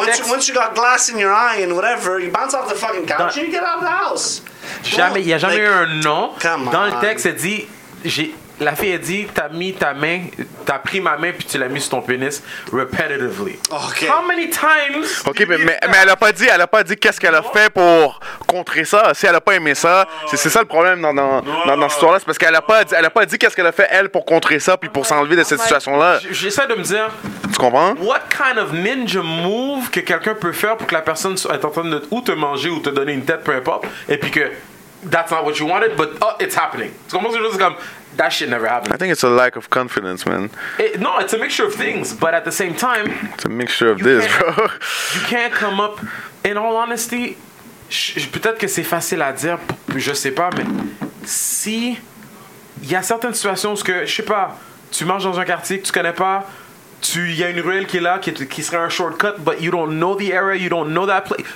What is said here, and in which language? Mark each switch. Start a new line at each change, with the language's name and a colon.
English: Once you got glass in your eye and whatever, you bounce off the fucking couch and you get out of the house.
French: Jamais, y'a jamais eu un non. Dans le texte, elle dit, la fille a dit, t'as pris ma main puis tu l'as mis sur ton pénis repetitively. Okay.
English: How many times?
French: Ok, mais elle a pas dit qu'est-ce qu'elle a fait pour contrer ça. Si elle a pas aimé ça, c'est ça le problème dans cette histoire-là, c'est parce qu'elle a pas dit qu'est-ce qu'elle a fait elle pour contrer ça puis pour s'enlever de cette situation-là. J'essaie de me dire. Tu comprends?
English: What kind of ninja move
French: que quelqu'un peut faire pour que la personne soit en train de ou te manger ou te donner une tête peu importe et puis que
English: that's not what you wanted but oh it's happening.
French: Tu comprends? C'est juste comme
English: that shit never happened. I think it's a lack of confidence, man. No, it's a mixture of things, but at the same time... It's a mixture of this, bro. You can't come up... In all honesty,
French: peut-être que c'est facile à dire, je sais pas, mais si... Il y a certaines situations où, je sais pas, tu marches dans un quartier que tu connais pas, il y a une ruelle qui est là, qui serait un shortcut,
English: but you don't know the area, you don't know that place.